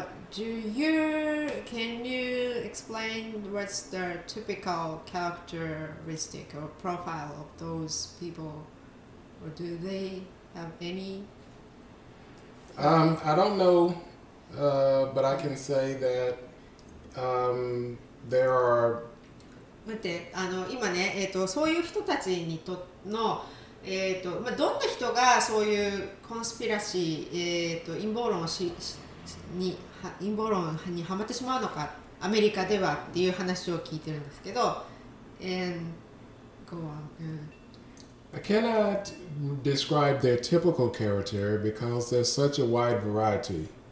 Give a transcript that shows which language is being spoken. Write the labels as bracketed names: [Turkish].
[English] Can you explain what's the typical characteristic or profile of those people, or do they have any? I don't know, but I can say that there are. [Japanese] 待って、あの今ね、そういう人たちにとのまあ、どんな人がそういうコンスピラシー、陰謀論にハマってしまうのか、アメリカではっていう話を聞いてるんですけど、 [English] And go on. I cannot describe their typical character because there's such a wide variety.